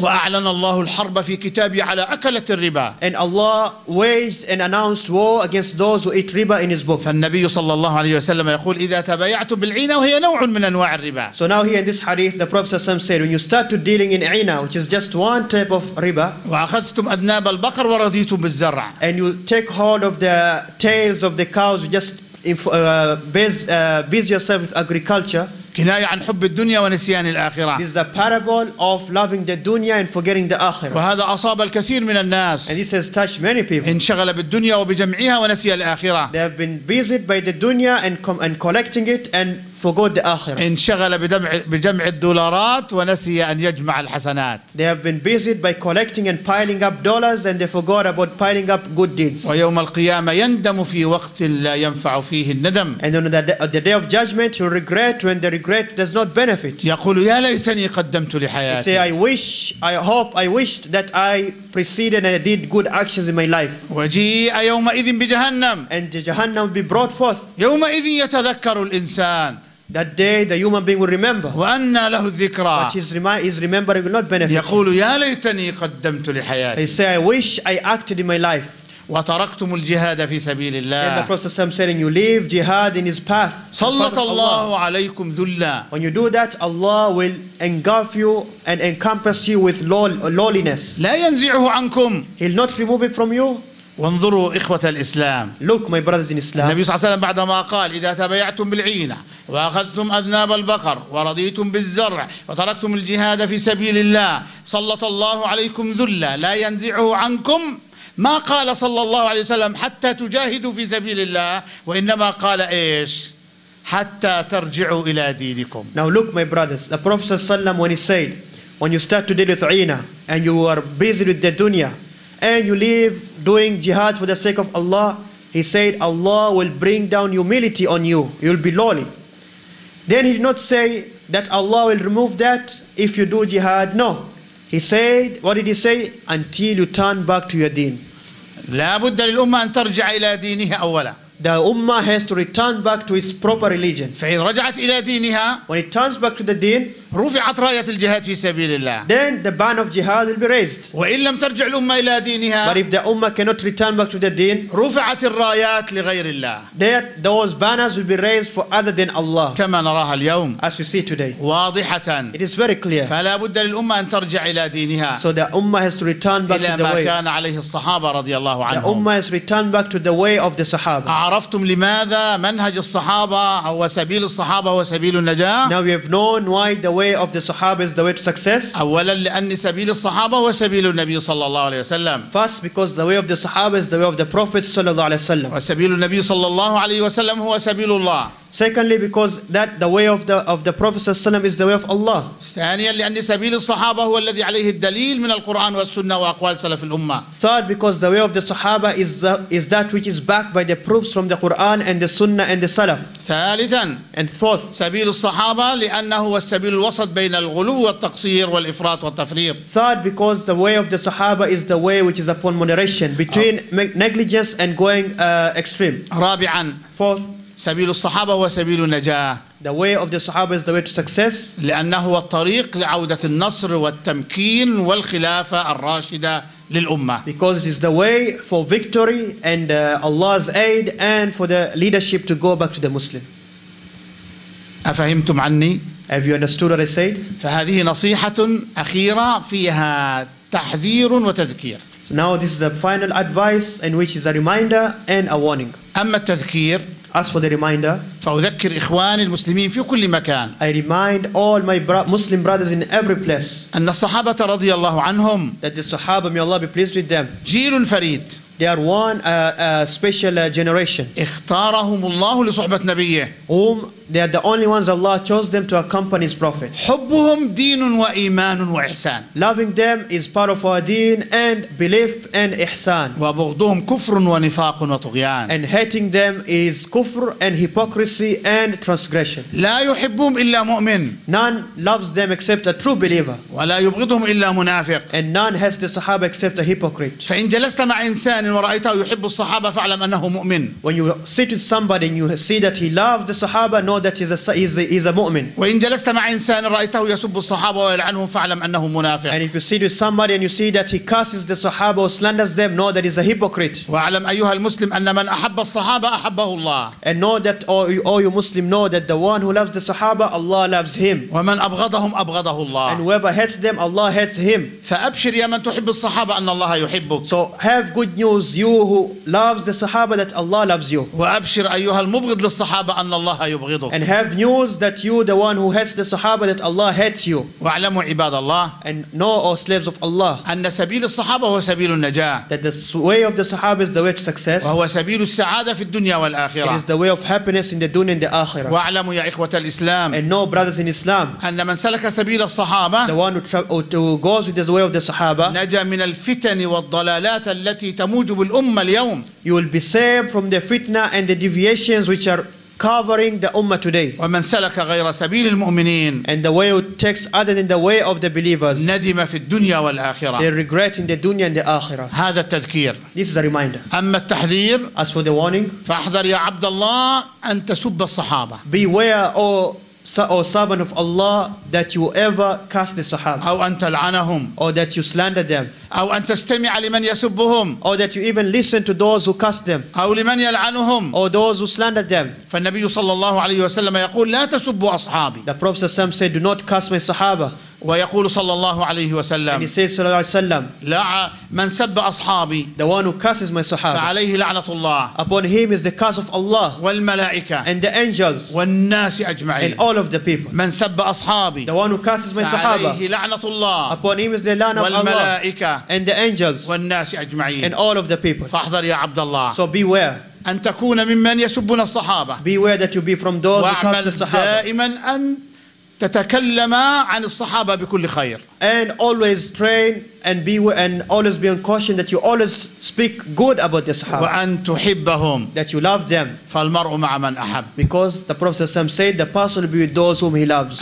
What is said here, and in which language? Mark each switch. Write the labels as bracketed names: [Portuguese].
[Arabic] وأعلن الله الحرب في كتابه على أكلة الربا. [English] And Allah waged and announced war against those who eat riba in His book. [Arabic] فالنبي صلى الله عليه وسلم يقول إذا تبايعت بالعينة وهي نوع من أنواع الربا. [English] So now here in this hadith, the Prophet [Arabic] صلى الله عليه وسلم [English] said, when you start to dealing in عينة, which is just one type of riba. [Arabic] وأخذتم أذناب البقر ورضيتم بالزرع. [English] And you take hold of the tails of the cows, just busy yourself with agriculture. [Arabic] كناية عن حب الدنيا ونسيان الآخرة. [English] This is a parable of loving the dunya and forgetting the akhirah. [Arabic] وهذا أصاب الكثير من الناس. [English] And this has touched many people. [Arabic] انشغل بالدنيا وبجمعها ونسي الآخرة. [English] They have been busy by the dunya and collecting it and forgot the akhirah. [Arabic] انشغل بجمع الدولارات ونسي أن يجمع الحسنات. [English] They have been busy by collecting and piling up dollars and they forgot about piling up good deeds. [Arabic] ويوم القيامة يندم في وقت لا ينفع فيه الندم. [English] And on the day of judgment, you regret when the regret does not benefit. [Arabic] يقول يا ليتني قدمت لحياتي. [English] Say I wish, I hope, I wished that I preceded and I did good actions in my life. [Arabic] وجيء يومئذ بجهنم. [English] And Jahannam will be brought forth. [Arabic] يومئذ يتذكر الإنسان. [English] That day the human being will remember. [Arabic] وأن له الذكرى. [English] But his remembering will not benefit. [Arabic] يقول يا ليتني قدمت لحياتي. [English] He say I wish I acted in my life. [Arabic] وتركتم الجهاد في سبيل الله. [English] And the Prophet ﷺ saying, you leave jihad in his path. [Arabic] صلت الله عليكم ذلا. [English] When you do that, Allah will engulf you and encompass you with lowliness. [Arabic] لا ينزعه عنكم. [English] He'll not remove it from you. [Arabic] وانظروا إخوة الإسلام. [English] Look, my brothers in Islam. [Arabic] النبي صلى الله عليه وسلم بعدما قال إذا تبيعتم بالعينة وأخذتم أذناب البقر ورضيتم بالزرع وتركتم الجهاد في سبيل الله صلت الله عليكم ذلا لا ينزعه عنكم. ما قال صلى الله عليه وسلم حتى تجاهدوا في سبيل الله وإنما قال إيش حتى ترجعوا إلى دينكم. [English] Now look my brothers, the Prophet [Arabic] صلى الله عليه وسلم [English] when he said when you start to deal with عينة and you are busy with the dunya and you leave doing jihad for the sake of Allah, he said Allah will bring down humility on you, you'll be lowly. Then he did not say that Allah will remove that if you do jihad, no. He said, what did he say? Until you turn back to your deen. [Arabic] لا بد للأمة أن ترجع إلى دينها أولا. [English] The ummah has to return back to its proper religion. [Arabic] فإن رجعت إلى دينها, [English] when it turns back to the deen, [Arabic] رفعت راية الجهاد في سبيل الله. [English] Then the ban of jihad will be raised. [Arabic] وإن لم ترجع الأمة إلى دينها, [English] but if the ummah cannot return back to the deen, [Arabic] رفعت الرايات لغير الله. [English] That those banners will be raised for other than Allah. [Arabic] كما نراها اليوم, [English] as we see today, [Arabic] واضحة. [English] It is very clear. [Arabic] فلا بد للأمة أن ترجع إلى دينها. [English] So the ummah has to return back to the way. [Arabic] إلى ما كان عليه الصحابة رضي الله عنهم. [English] The ummah has to return back to the way of the Sahaba. [Arabic] عرفتم لماذا منهج الصحابة هو سبيل الصحابة هو سبيل النجاة؟ [English] Now we have known why the way of the Sahaba is the way to success. [Arabic] أولا لأن سبيل الصحابة هو سبيل النبي صلى الله عليه وسلم. [English] First because the way of the Sahaba is the way of the Prophet [Arabic] صلى الله عليه وسلم. وسبيل النبي صلى الله عليه وسلم هو سبيل الله. [English] Secondly, because that the way of the Prophet [Arabic] صلى الله عليه وسلم [English] is the way of Allah. [Arabic] ثانيا لأن سبيل الصحابة هو الذي عليه الدليل من القرآن والسنة وأقوال سلف الأمة. [English] Third, because the way of the Sahaba is that which is backed by the proofs from the Quran and the Sunnah and the Salaf. [Arabic] ثالثا. [English] And fourth. [Arabic] سبيل الصحابة لأنه هو السبيل الوسط بين الغلو والتقصير والإفراط والتفريط. [English] Third, because the way of the Sahaba is the way which is upon moderation between negligence and going extreme. [Arabic] رابعا. [English] Fourth. [Arabic] سبيل الصحابة هو سبيل النجاة. [English] The way of the Sahaba is the way to success. [Arabic] لأنه هو الطريق لعودة النصر والتمكين والخلافة الراشدة للأمة. [English] Because it's the way for victory and Allah's aid and for the leadership to go back to the Muslim. [Arabic] أفهمتم عني؟ [English] Have you understood what I said? [Arabic] فهذه نصيحة أخيرة فيها تحذير وتذكير. [English] So now this is a final advice in which is a reminder and a warning. [Arabic] أما التذكير. [English] As for the reminder, [Arabic] فأذكر إخواني المسلمين في كل مكان. [English] I remind all my Muslim brothers in every place. [Arabic] أن الصحابة رضي الله عنهم. [English] That the Sahaba, may Allah be pleased with them. [Arabic] جيل فريد. [English] They are one special generation. [Arabic] اختارهم الله لصحبة نبيه. [English] Whom they are the only ones Allah chose them to accompany His Prophet. [Arabic] حبهم دين وإيمان وإحسان. [English] Loving them is part of our deen and belief and إحسان. [Arabic] وبغضهم كفر ونفاق وطغيان. [English] And hating them is كفر and hypocrisy and transgression. [Arabic] لا يحبهم إلا مؤمن. [English] None loves them except a true believer. [Arabic] ولا يبغضهم إلا منافق. [English] And none has the Sahaba except a hypocrite. [Arabic] فإن جلست مع إنسان ورأيته يحب الصحابة فاعلم أنه مؤمن. [English] When you sit with somebody and you see that he loves the Sahaba, know that he's a mu'min. [Arabic] وإن جلست مع إنسان رأيته يسب الصحابة ويلعنهم فاعلم أنه منافق. [English] And if you sit with somebody and you see that he curses the Sahaba or slanders them, know that he's a hypocrite. [Arabic] واعلم أيها المسلم أن من أحب الصحابة أحبه الله. [English] And know that all you Muslim know that the one who loves the Sahaba, Allah loves him. [Arabic] ومن أبغضهم أبغضه الله. [English] And whoever hates them, Allah hates him. [Arabic] فأبشر يا من تحب الصحابة أن الله يحبك. [English] So have good news, you who loves the Sahaba, that Allah loves you. [Arabic] وأبشر أيها المبغض للصحابة أن الله يبغض. [English] And have news that you, the one who hates the Sahaba, that Allah hates you. [Arabic] واعلموا عباد الله. [English] And know, O slaves of Allah. [Arabic] أن سبيل الصحابة هو سبيل النجاة. [English] That the way of the Sahaba is the way to success. [Arabic] وهو سبيل السعادة في الدنيا والآخرة. [English] It is the way of happiness in the dunya and the آخرة. [Arabic] واعلموا يا إخوة الإسلام. [English] And know, brothers in Islam. [Arabic] أن من سلك سبيل الصحابة. [English] The one who goes with the way of the Sahaba. [Arabic] نجا من الفتن والضلالات التي تموج بالأمة اليوم. [English] You will be saved from the fitna and the deviations which are covering the ummah today. [Arabic] ومن سلك غير سبيل المؤمنين. [English] And the way it takes other than the way of the believers. [Arabic] ندم في الدنيا والآخرة. [English] They regret in the dunya and the akhirah. [Arabic] هذا التذكير. [English] This is a reminder. [Arabic] أما التحذير. [English] As for the warning. [Arabic] فأحذر يا عبد الله أن تسب الصحابة. [English] Beware, O servant of Allah, that you ever curse the Sahaba. [Arabic] أو أن تلعنهم. [English] Or that you slander them. [Arabic] أو أن تستمع لمن يسبهم. [English] Or that you even listen to those who curse them. [Arabic] أو لمن يلعنهم. [English] Or those who slander them. [Arabic] فالنبي صلى الله عليه وسلم يقول لا تسبوا أصحابي. [English] The Prophet [Arabic] صلى الله عليه وسلم [English] said, do not curse my Sahaba. [Arabic] ويقول صلى الله عليه وسلم. [English] And he says, [Arabic] صلى الله عليه وسلم. لا من سب أصحابي. [English] The one who curses my Sahaba. [Arabic] فعليه لعنة الله. [English] Upon him is the curse of Allah. [Arabic] والملائكة. [English] And the angels. [Arabic] والناس أجمعين. [English] And all of the people. [Arabic] من سب أصحابي. [English] The one who curses my Sahaba. [Arabic] فعليه لعنة الله. [English] Upon him is the lana of Allah. [Arabic] والملائكة. [English] And the angels. [Arabic] والناس أجمعين. [English] And all of the people. [Arabic] فاحذر يا عبد الله. [English] So beware. [Arabic] أن تكون ممن يسبون الصحابة. [English] Beware that you be from those who curse the Sahaba. [Arabic] واعمل دائما أن تتكلم عن الصحابة بكل خير. [English] And always train and be and always be on caution that you always speak good about the Sahaba. [Arabic] وأن تحبهم. [English] That you love them. [Arabic] فالمرء مع من أحب. [English] Because the Prophet ﷺ said the person will be with those whom he loves.